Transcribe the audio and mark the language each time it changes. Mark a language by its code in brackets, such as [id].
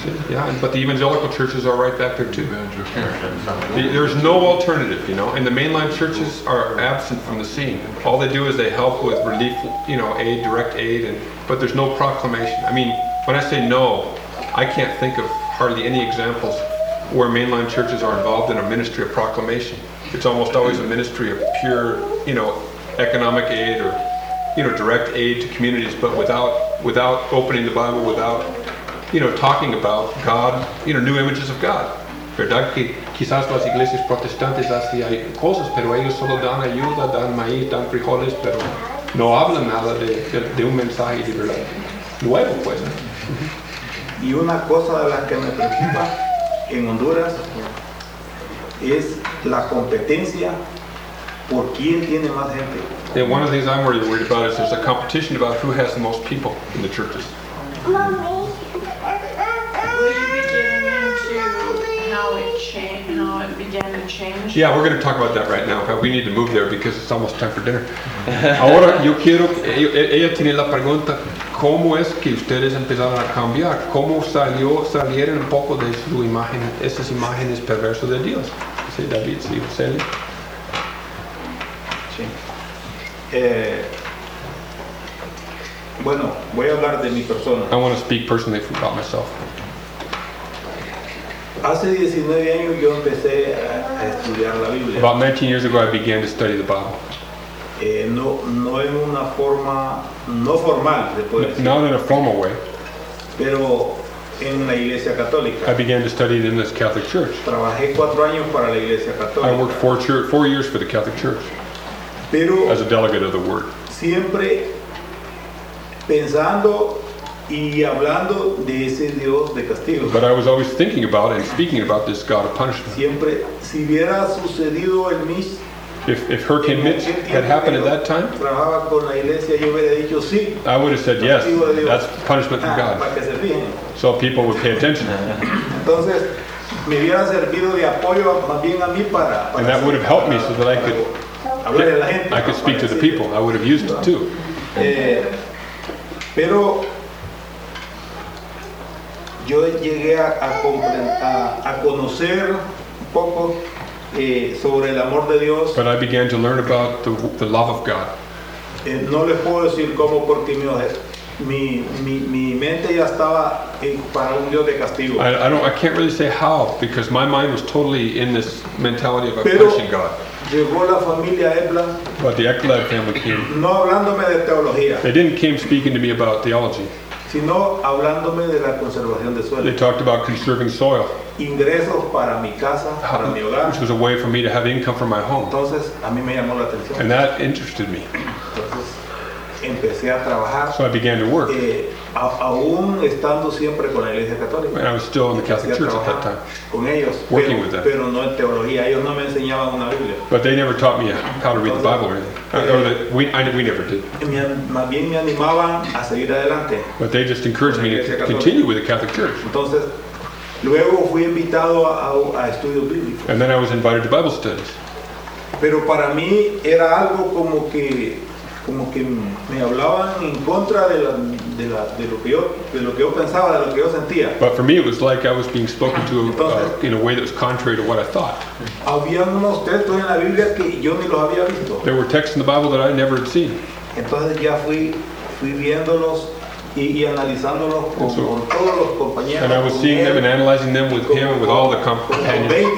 [en] Yeah, but the evangelical churches are right back there too. There's no alternative, you know, and the mainline churches are absent from the scene. All they do is they help with relief, you know, aid, direct aid, but there's no proclamation. I mean, when I say no, I can't think of hardly any examples where mainline churches are involved in a ministry of proclamation. It's almost always a ministry of pure, you know, economic aid or, you know, direct aid to communities, but without opening the Bible, without, you know, talking about God, you know, new images of God. [es] Verdad que quizás las iglesias protestantes hacen cosas, pero ellos solo dan ayuda, dan maíz, dan frijoles, pero no hablan nada de un mensaje de verdad. Nuevo, pues. Y una cosa de la que me preocupa en Honduras es la competencia por quién tiene más gente. [en] And one of the things I'm really worried about is there's a competition about who has the most people in the churches. How it began to change. Yeah, we're going to talk about that right now. We need to move there because it's almost time for dinner. [es] Ahora yo quiero, ella tiene la pregunta, ¿cómo es que ustedes empezaron a cambiar? ¿Cómo salieron un poco de su imagen, esas imágenes perversas de Dios? Sí, David, sí, José. Sí. Bueno, voy a hablar de mi persona. [en] I want to speak personally about myself. [es] Hace 19 años yo empecé a estudiar la Biblia. [en] About 19 years ago I began to study the Bible. [es] No en una forma no formal, se puede decir. [en] Not in a formal way. [es] Pero en la Iglesia Católica. [en] I began to study it in this Catholic Church. [es] Trabajé 4 años para la Iglesia Católica. [en] I worked 4 years for the Catholic Church. [es] Pero [en] as a delegate of the word. [es] Siempre pensando y hablando de ese Dios de castigo. [en] But I was always thinking about and speaking about this God of punishment. [es] Siempre, si hubiera sucedido el mis, [en] if Hurricane Mitch had happened at that time, [es] trabajaba con la iglesia, yo hubiera dicho sí. [en] I would have said yes. That's punishment from God. [es] Para que se fijen. [en] So people would pay attention. [es] Entonces, me hubiera servido de apoyo más bien a mí para. [en] And that would have helped me so that I could. I could speak to the people. I would have used it too. [es] Pero yo llegué a conocer un poco sobre el amor de Dios. [en] But I began to learn about the love of God. [es] No les puedo decir cómo, porque mi mente ya estaba para un Dios de castigo. [en] I can't really say how, because my mind was totally in this mentality of a punishing God. [es] Llegó la familia Ebla, [en] but the Ekblad family came. [es] No hablándome de teología. [en] They didn't came speaking to me about theology. [es] Sino hablándome de la conservación de suelo. [en] They talked about conserving soil. [es] Ingresos para mi casa, para mi hogar. [en] Which was a way for me to have income for my home. [es] Entonces, a mí me llamó la atención. [en] And that interested me. [es] Entonces, empecé a trabajar. [en] So I began to work. [es] Aún estando siempre con la Iglesia Católica. [en] And I was still in the Catholic Church at that time. [es] Con ellos, [en] working [es] pero, [en] with them. [es] Pero no en teología. Ellos no me enseñaban una Biblia. [en] But they never taught me how to read the Bible or anything. We never did. [es] Más bien me animaban a seguir adelante. [en] But they just encouraged me to continue with the Catholic Church. [es] Entonces, luego fui invitado a estudios bíblicos. [en] And then I was invited to Bible studies. [es] Pero para mí era algo como que me hablaban en contra de lo que yo pensaba, de lo que yo sentía. [en] But for me it was like I was being spoken to in a way that was contrary to what I thought. [es] Había unos textos en la Biblia que yo ni los había visto. [en] There were texts in the Bible that I never had seen. [es] Entonces ya fui viéndolos y analizándolos con todos los compañeros. [en] And I was seeing them and analyzing them with him and with all the companions.